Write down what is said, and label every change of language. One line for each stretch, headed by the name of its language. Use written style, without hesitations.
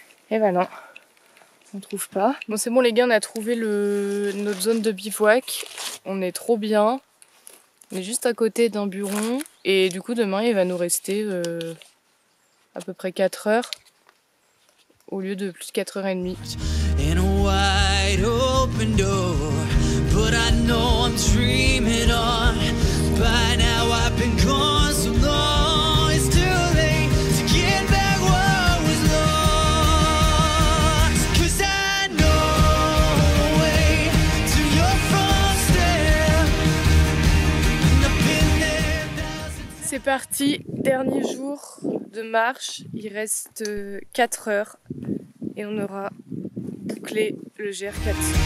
French: Et bah non, on trouve pas. Bon, c'est bon, les gars, on a trouvé notre zone de bivouac. On est trop bien. On est juste à côté d'un buron. Et du coup, demain, il va nous rester à peu près 4 heures au lieu de plus de 4h30.
English: In a wide open door. But I know I'm dreaming on. By now I've been gone so long. It's too late to get back what was lost. Cause I know the way to your front step. And I've been there.
French: C'est parti, dernier jour de marche. Il reste 4 heures et on aura bouclé le GR4.